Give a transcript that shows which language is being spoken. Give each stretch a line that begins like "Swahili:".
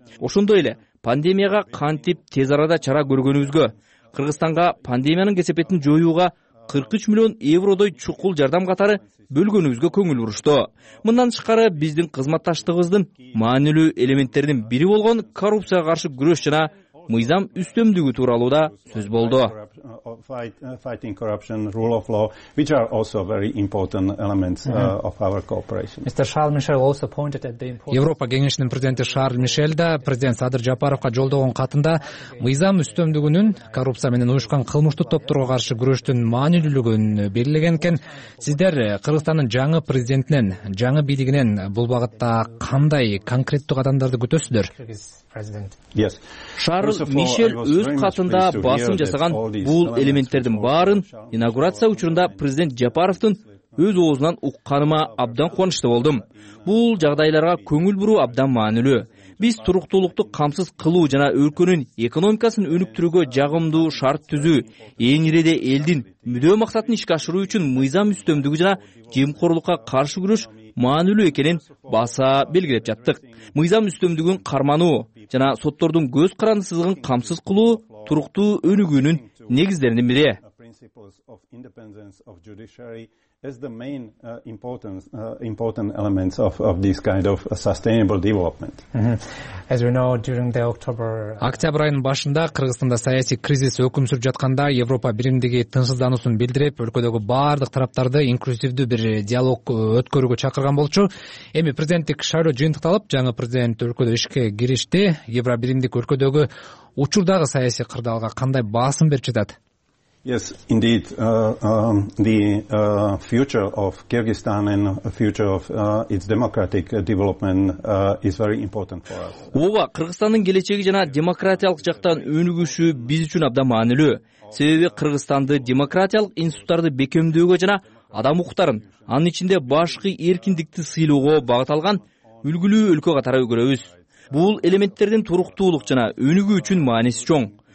Kyrgyz: Ошондой эле пандемияга кантип тез арада чара көргөнүбүзгө, Кыргызстанга пандемиянын кесепетин жоюуга 43 миллион евродой чукул жардам катары бөлгөнүбүзгө көңүл бурушту. Мындан тышкары биздин кызматташтыгыбыздын маанилүү элементтеринин бири болгон коррупцияга каршы күрөш жана мыйзам үстөмдүгү тууралуу да сөз болду.
English: Fighting corruption, rule of law, which are also very important elements of our cooperation. Mr. Charles Michel also pointed at the importance.
Kyrgyz: Европа кеңешинин президенти Шарль Мишель да президент Садыр Жапаровго жолдогон катында мыйзам үстөмдүгүнүн коррупция менен уюшкан кылмыштуу топторго каршы күрөштүн маанилүүлүгүн белгилеген экен. Сиздер Кыргызстандын жаңы президентинен, жаңы бийлигинен бул багытта кандай конкреттүү кадамдарды күтөсүздөр? Шарль Мишель өз катында басым жасаган бул элементтердин баарын инаугурация учурунда президент Жапаровдун өз оозунан укканыма абдан кубанычтуу болдум. Бул жагдайларга көңүл буруу абдан маанилүү. Биз туруктуулукту камсыз кылуу жана өлкөнүн экономикасын өнүктүрүүгө жагымдуу шарт түзүү, эң ирэде элдин мүдөө максатын ишке ашыруу үчүн мыйзам үстөмдүгү жана жемкорлукка каршы күрөш маанилүү экенин баса белгилеп жаттык. Мыйзам үстөмдүгүн кармануу жана соттордун көз карандысыздыгын камсыз кылуу туруктуу өнүгүүнүн негиздеринин бири.
English: As the main important elements of this kind of sustainable development. As we know during the October
Kyrgyz: Октябрь айынын башында Кыргызстанда саясий кризис өкүм сүрүп жатканда Европа биримдиги тынчсыздануусун билдирип өлкөдөгү баардык тараптарды инклюзивдүү бир диалог өткөрүүгө чакырган болчу. Эми президенттик шайлоо жыйынтыкталып, жаңы президент өлкөдө ишке киришти. Евро биримдик өлкөдөгү учурдагы саясий кырдаалга кандай басым берип жатат?
English: Yes, indeed, future of Kyrgyzstan and future of its democratic development is very important for us.
Kyrgyz: Ооба, Кыргызстандын келечеги жана демократиялык жактан өнүгүшү биз үчүн абдан маанилүү. Себеби Кыргызстанды демократиялык институттарды бекемдөөгө жана адам укуктарын, анын ичинде башкы эркиндикти сыйлоого багытталган үлгүлүү өлкө катары көрөбүз. Бул элементтердин туруктуулук жана өнүгүү үчүн мааниси чоң.